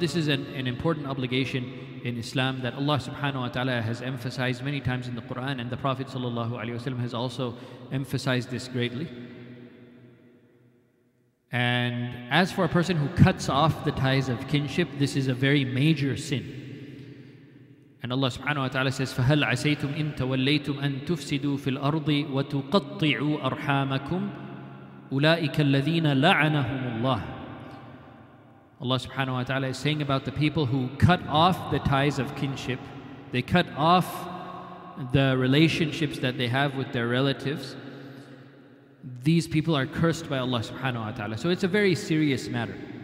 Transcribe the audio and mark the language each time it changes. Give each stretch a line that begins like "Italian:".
English: This is an important obligation in Islam that Allah subhanahu wa ta'ala has emphasized many times in the Quran, and the Prophet sallallahu alaihi wasallam has also emphasized this greatly. And as for a person who cuts off the ties of kinship, this is a very major sin. An And Allah subhanahu wa ta'ala says,
Arabic: فَهَلْ عَسَيْتُمْ إِن تَوَلَّيْتُمْ أَن تُفْسِدُوا فِي الْأَرْضِ وَتُقَطِّعُوا أَرْحَامَكُمْ أُولَٰئِكَ الَّذِينَ لَعَنَهُمُ اللَّهُ.
English: Allah subhanahu wa ta'ala is saying about the people who cut off the ties of kinship, they cut off the relationships that they have with their relatives, these people are cursed by Allah subhanahu wa ta'ala. So it's a very serious matter.